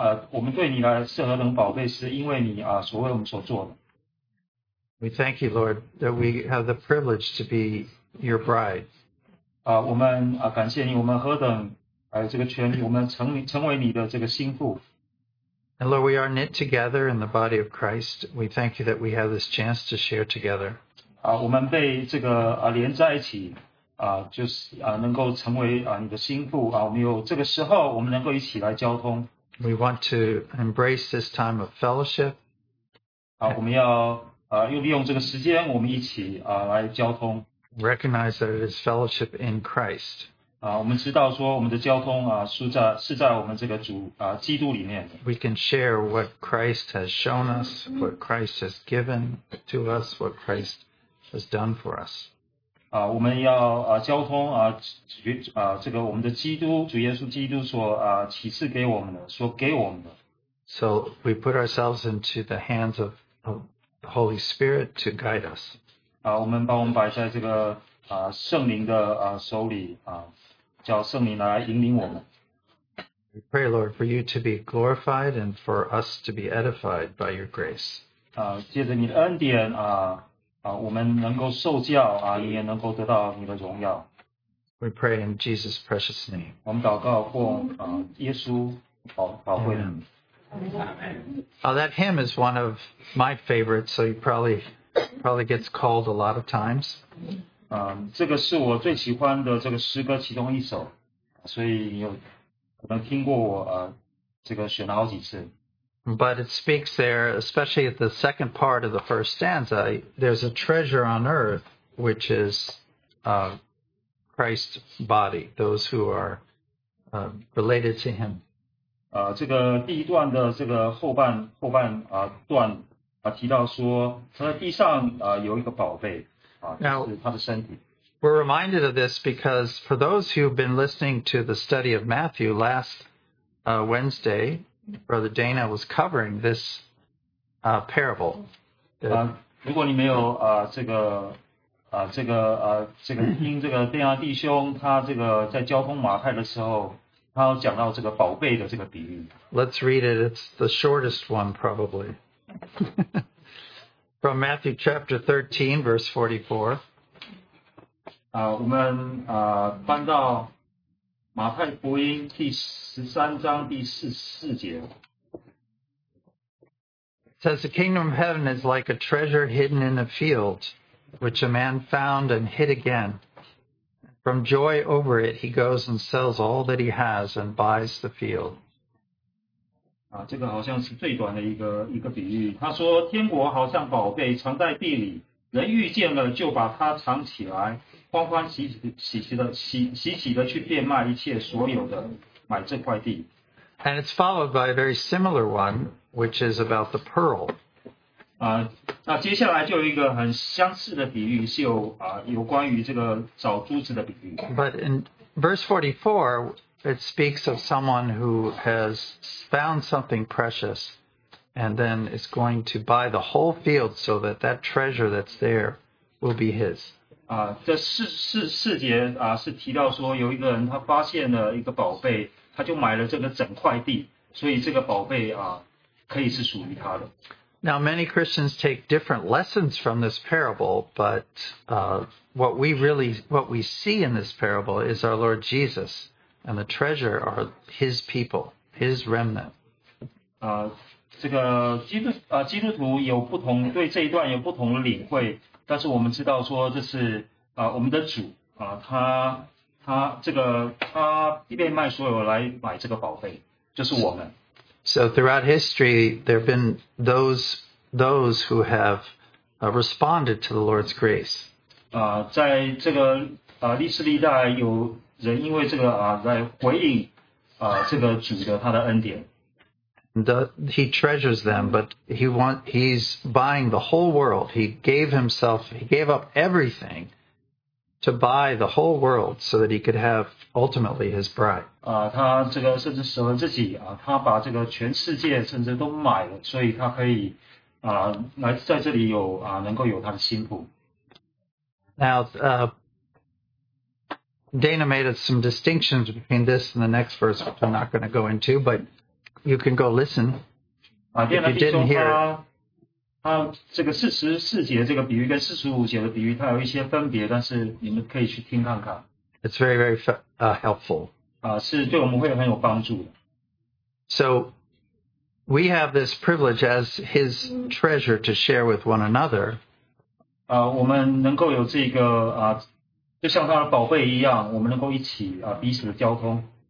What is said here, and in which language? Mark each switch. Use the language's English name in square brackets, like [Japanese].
[Chinese] 我们对你来是何等宝贝，是因为你所为我们所做的。 [English] We thank you, Lord, that we have the privilege to be your bride. [Chinese] 我们感谢你，我们何等这个权利，我们成为你的这个心腹。 [English] And Lord, we are knit together in the body of Christ. We thank you that we have this chance to share together. [Chinese] 我们被这个连在一起。就是能够成为你的心腹我们有这个时候我们能够一起来交通。 [English] We want to embrace this time of fellowship. [Chinese] 我们要又利用这个时间我们一起来交通。 [English] Recognize that it is fellowship in Christ. [Chinese] 我们知道说我们的交通是在我们这个主基督里面。 [English] We can share what Christ has shown us, what Christ has given to us, what Christ has done for us. [Chinese] 我们要交通这个我们的基督主耶稣基督所启示给我们的所给我们的。 [English] So we put ourselves into the hands of the Holy Spirit to guide us. [Chinese] 我们把我们摆在这个圣灵的手里叫圣灵来引领我们。 [English] We pray, Lord, for you to be glorified and for us to be edified by your grace. [Chinese] 借着你的恩典我们能够受教你也能够得到你的荣耀。 [English] We pray in Jesus' precious name. [Chinese] 我们祷告奉耶稣宝贵的名。 [English] Amen. That hymn is one of my favorites, so you probably gets called a lot of times. [Chinese] 这个是我最喜欢的这个诗歌其中一首，所以你有可能听过我这个选了好几次。 [English] But it speaks there, especially at the second part of the first stanza, there's a treasure on earth, which is Christ's body, those who are related to him. [Chinese] 这个第一段的这个后半段提到说他在地上有一个宝贝就是他的身体。 [English] Now, we're reminded of this because for those who've been listening to the study of Matthew last Wednesday,Brother Dana was covering this parable. [Chinese] 如果你没有听这个电压弟兄他这个在交通马太的时候他要讲到这个宝贝的这个比喻。 [English] Let's read it. It's the shortest one probably. From Matthew chapter 13, verse 44. [Chinese] 我们搬到马太福音第十三章第四十四节。 [English] It says, the kingdom of heaven is like a treasure hidden in a field, which a man found and hid again. From joy over it, he goes and sells all that he has and buys the field. [Chinese] 这个好像是最短的一个比喻。他说，天国好像宝贝藏在地里，人遇见了就把它藏起来，欢欢喜喜的去变卖一切所有的，买这块地。 [English] And it's followed by a very similar one, which is about the pearl. [Chinese] 那接下来就有一个很相似的比喻，是有关于这个找珠子的比喻。 [English] But in verse 44, it speaks of someone who has found something precious, and then is going to buy the whole field so that that treasure that's there will be his. [Chinese] 这四节是提到说有一个人他发现了一个宝贝。他就买了这个整块地，所以这个宝贝可以是属于他的。 [English] Now many Christians take different lessons from this parable, but what we see in this parable is our Lord Jesus, and the treasure are His people, His remnant. [Chinese] 这个基督徒有不同对这一段有不同的领会，但是我们知道说这是我们的主他。他被卖所有来买这个宝贝，就是我们。 [English] So throughout history, there have been those who have responded to the Lord's grace. [Chinese] 在这个历史历代有人因为这个啊来回应啊这个主的他的恩典。 [English] He treasures them, but he's buying the whole world. He gave up everything to buy the whole world so that he could have ultimately his bride. [Chinese] 他这个甚至舍了自己啊，他把这个全世界甚至都买了，所以他可以啊来在这里有啊能够有他的新妇。 [English] Now, Dana made some distinctions between this and the next verse, which I'm not going to go into, but you can go listen. If you didn't hear it. [Chinese] 这个44节这个比喻跟45节的比喻，它有一些分别，但是你们可以去听看看。 [English] It's very, very helpful. [Chinese] 是对我们会很有帮助的。 [English] So we have this privilege as his treasure to share with one another. [Chinese] 我们能够有这个就像他的宝贝一样，我们能够一起彼此的交通。